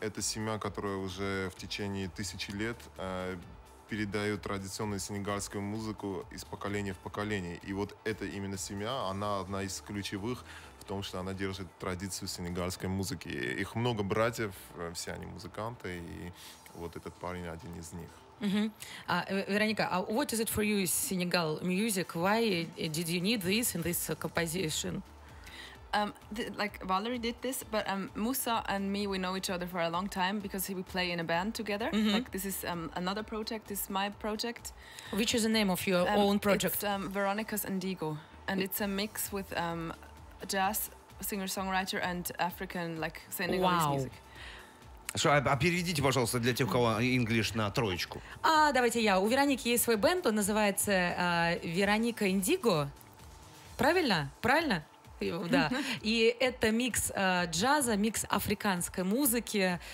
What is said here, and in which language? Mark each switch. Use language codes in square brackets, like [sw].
[ru] Это семья, которая уже в течение тысячи лет передает традиционную сенегальскую музыку из поколения в поколение. И вот эта именно семья, она одна из ключевых в том, что она держит традицию сенегальской музыки. Их много братьев, все они музыканты, и вот этот парень один из них. [en] Вероника, what is it for you, Senegal music? Why did you need this in this composition? Valerie did this, but Musa and me, we know each other for a long time because we play in a band together. Mm-hmm. Like this is another project. This is my project. Which is the name of your own project? It's Veronica's Indigo, and it's a mix with jazz singer-songwriter and African like Senegalese wow. music. [ru] Что, а переведите, пожалуйста, для тех, у кого English на троечку. А, давайте я. У Вероники есть свой бэнд, он называется Вероника Индиго. Правильно? Правильно? Да. И это микс джаза, микс африканской музыки.